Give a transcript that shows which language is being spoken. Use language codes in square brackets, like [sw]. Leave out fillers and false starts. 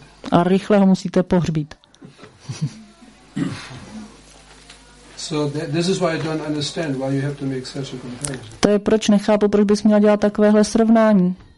[cs] A rychle ho musíte pohřbít. [en] So this is why I don't understand why you have to make such a comparison. [cs] To je proč nechápu, proč bys měla dělat takovéhle srovnání.